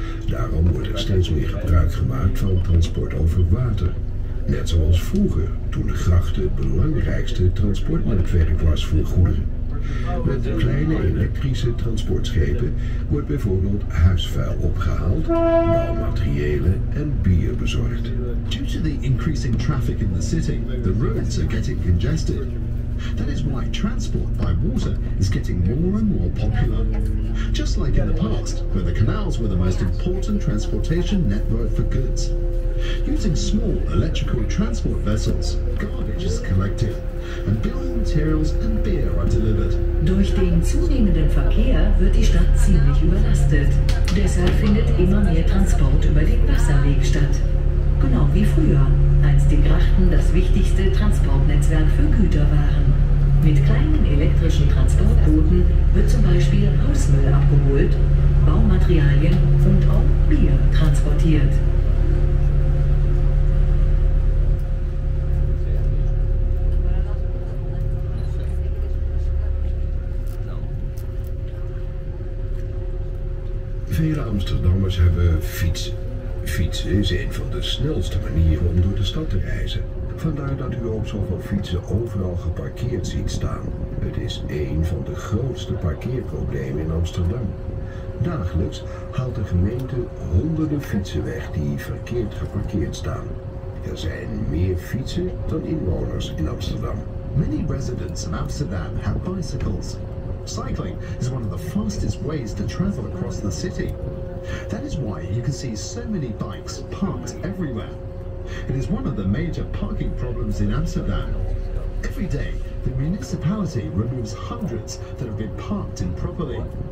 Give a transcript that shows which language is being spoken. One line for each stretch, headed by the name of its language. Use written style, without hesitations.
Dutch: Daarom wordt er steeds meer gebruik gemaakt van transport over water. Net zoals vroeger, toen de gracht het belangrijkste transportnetwerk was voor goederen. Met kleine elektrische transportschepen wordt bijvoorbeeld huisvuil opgehaald, bouwmaterialen en bier bezorgd.
English: Due to the increasing traffic in the city, the roads are getting congested. That is why transport by water is getting more and more popular. Just like in the past, where the canals were the most important transportation network for goods. Using small electrical transport vessels, garbage is collected, and building materials and beer are delivered.
German: Durch den zunehmenden Verkehr wird die Stadt ziemlich überlastet. Deshalb findet immer mehr Transport über den Wasserweg statt. Genau wie früher, als die Grachten das wichtigste Transportnetzwerk für Güter waren. Mit kleinen elektrischen Transportbooten wird zum Beispiel Hausmüll abgeholt, Baumaterialien und auch Bier transportiert.
Dutch: Vele Amsterdammers hebben fietsen. Fietsen is een van de snelste manieren om door de stad te reizen. Vandaar dat u ook zoveel fietsen overal geparkeerd ziet staan. Het is een van de grootste parkeerproblemen in Amsterdam. Dagelijks haalt de gemeente honderden fietsen weg die verkeerd geparkeerd staan. Er zijn meer fietsen dan inwoners in Amsterdam.
English: Many residents in Amsterdam have bicycles. Cycling is one of the fastest ways to travel across the city. That is why you can see so many bikes parked everywhere. It is one of the major parking problems in Amsterdam. Every day, the municipality removes hundreds that have been parked improperly.